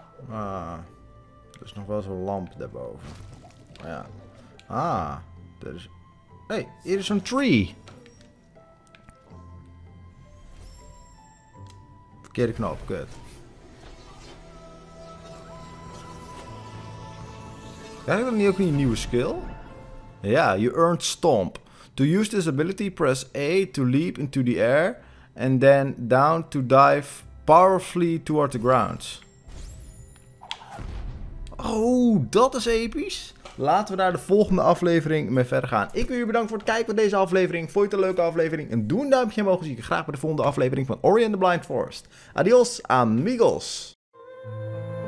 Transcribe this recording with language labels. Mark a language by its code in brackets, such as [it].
[nl] Ah. Er is nog wel zo'n lamp daarboven. Ja. Ah. Er is... Hey, hier is een tree. Verkeerde knop, kut. Krijg ik dan niet ook een nieuwe skill? [en] Ja, you earned Stomp. To use this ability, press A to leap into the air. And then down to dive powerfully toward the ground. [nl] Oh, dat is episch. Laten we daar de volgende aflevering mee verder gaan. Ik wil jullie bedanken voor het kijken van deze aflevering. Vond je het een leuke aflevering? En doe een duimpje omhoog. Zie ik je graag bij de volgende aflevering van Ori and the Blind Forest. [es] Adios, amigos.